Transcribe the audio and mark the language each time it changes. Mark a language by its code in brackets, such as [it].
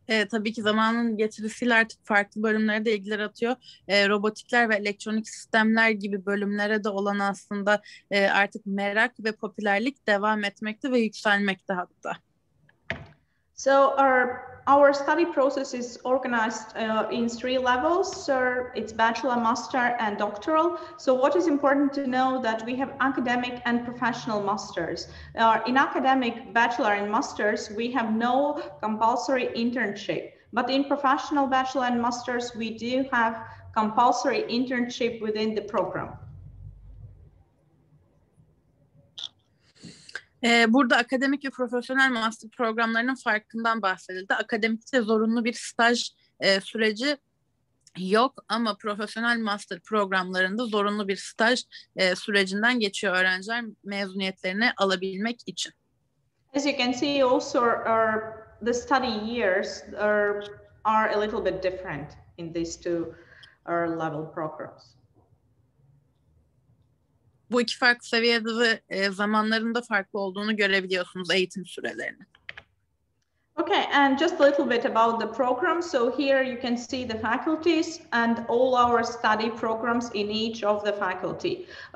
[tr] Tabii ki zamanın getirisiyle artık farklı bölümlere de ilgiler atıyor. Robotikler ve elektronik sistemler gibi bölümlere de olan aslında artık merak ve popülerlik devam etmekte ve yükselmekte hatta. [en] So our study process is organized in 3 levels. So it's bachelor, master and doctoral. So what is important to know that we have academic and professional masters. In academic bachelor and masters, we have no compulsory internship. But in professional bachelor and masters, we do have compulsory internship within the program. [tr] Burada akademik ve profesyonel master programlarının farkından bahsedildi. Akademikte zorunlu bir staj süreci yok ama profesyonel master programlarında zorunlu bir staj sürecinden geçiyor öğrenciler mezuniyetlerini alabilmek için. [en] As you can see also the study years are a little bit different in these two level programs. [tr] Bu iki farklı seviyede ve zamanlarında farklı olduğunu görebiliyorsunuz eğitim sürelerini. [en] Okay, and just a little bit about the program. So here you can see the faculties and all our study programs in each of the faculty.